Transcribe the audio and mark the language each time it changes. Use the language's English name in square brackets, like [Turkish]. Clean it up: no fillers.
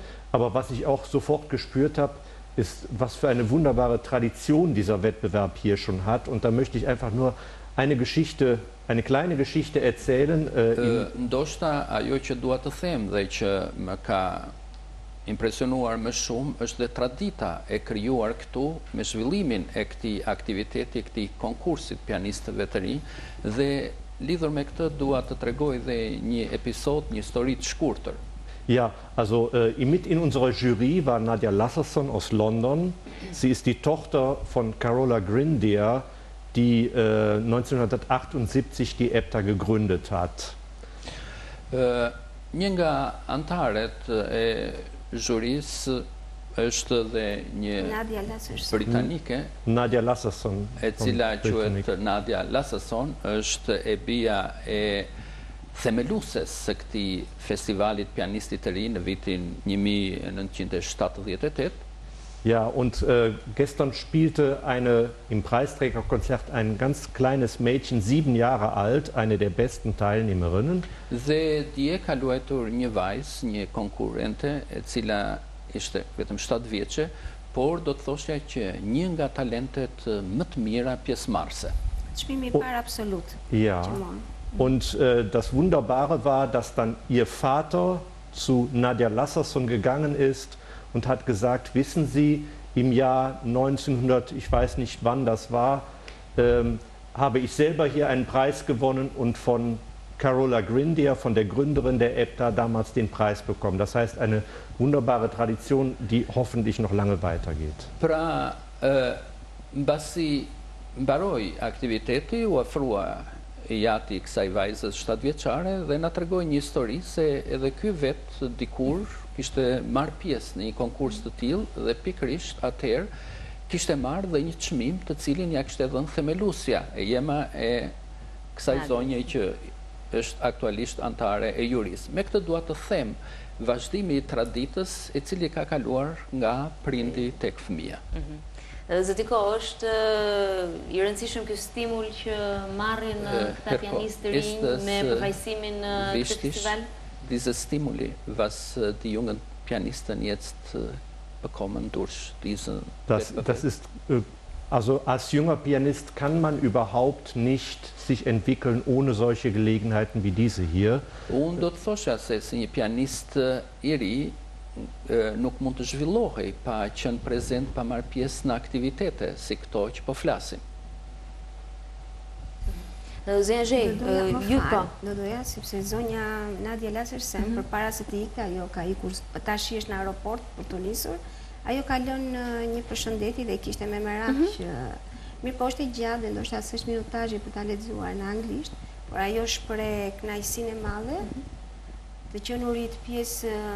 [German] Aber was ich auch sofort gespürt habe, ist, was für eine wunderbare Tradition dieser Wettbewerb hier schon hat. Und da möchte ich einfach nur eine Geschichte eine kleine Geschichte erzählen. [Albanian] Ndoshta ajo që dua të them dhe që më ka impresionuar më shumë është dhe tradita e krijuar këtu me zhvillimin e këtij aktiviteti, këtij konkursit pianistëve të rinj dhe lidhur me këtë dua të tregoj dhe një episod, një histori të shkurtër. [German] Ja, also mit in unserer Jury war Nadia Lasserson aus London. Sie ist die Tochter von Carola Grindier, die 1978 die EBTA gegründet hat. [Albanian] Një nga antaret e juris është dhe një Nadia Lasserson. Britanike. Nadia Lasserson. E cila quhet Nadia Lasserson, është e bija e themeluses së këtij festivali të pianistit të rinj në vitin 1978. [German] Ja, und gestern spielte eine im Preisträgerkonzert ein ganz kleines Mädchen, 7 Jahre alt, eine der besten Teilnehmerinnen. [Albanian] Dhe dje ka luajtur një vajzë, një konkurrente, e cila ishte vetëm 7 vjeçë, por do të thoshja që një nga talentet më të mira pjesëmarrëse. Çmimi i parë absolut. [German] Ja. Und das Wunderbare war, dass dann ihr Vater zu Nadia Lasserson gegangen ist und hat gesagt, wissen Sie, im Jahr 1900, ich weiß nicht wann das war, habe ich selber hier einen Preis gewonnen und von Carola Grindier, von der Gründerin der EBTA, damals den Preis bekommen. Das heißt, eine wunderbare Tradition, die hoffentlich noch lange weitergeht. [Albanian] Pra, was Sie baroi aktiviteti u afrua e jati kësaj vajzës 7 vjeçare dhe na tregoi një histori se edhe ky vet dikur kishte marr pjesë në një konkurs të tillë dhe pikërisht atëherë kishte marr dhe një çmim të cilin ja kishte dhënë themelusja e jema e kësaj zonje që është aktualisht antare e juris. Me këtë dua të them vazhdimi i traditës e cili ka kaluar nga prindi tek fëmia. Zotiko, është i rëndësishëm ky stimul që marrin këta pianistë rinj me përfaqësimin në këtë festival? [German] Dizë stimuli, was die jungen Pianisten jetzt bekommen durch diesen Das ist, also als junger Pianist kann man überhaupt nicht sich entwickeln ohne solche Gelegenheiten wie diese hier. [Albanian] Und do të thosha se si një pianist i ri nuk mund të zhvillohej pa qenë prezent, pa marrë pjesë në aktivitete si këto që po flasim. Zonja Zhej, ju po. Do doja, sepse zonja Nadia Lasserson, për para se të ikë, ajo ka ikur, tash është në aeroport për të nisur, ajo ka lënë një përshëndetje dhe kishte me merak që mirë po është i gjatë dhe ndoshta s'është minutazhi për ta lexuar në anglisht, por ajo shpreh kënaqësinë e madhe të qenurit të pjesë